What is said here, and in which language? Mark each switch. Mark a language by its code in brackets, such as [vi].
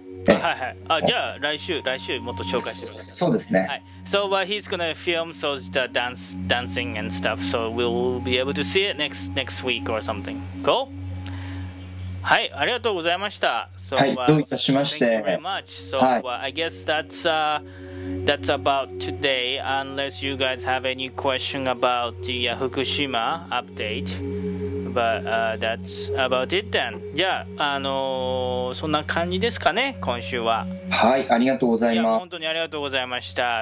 [ja] はいはい、じゃあ来週もっと紹介してください。そうですね、はい、 [en] So he's gonna film so the dancing and stuff, so we'll be able to see it next week or something. Cool? [ja] はい、ありがとうございました。 So, はい、どういたしまして。 [en] Thank you very much. So、 [ja] はい、 [en] I guess that's about today, unless you guys have any question about the Fukushima update. But that's about it then. [ja] じゃあ、そんな感じですかね、今週は。はい、ありがとうございます。いや、本当にありがとうございました。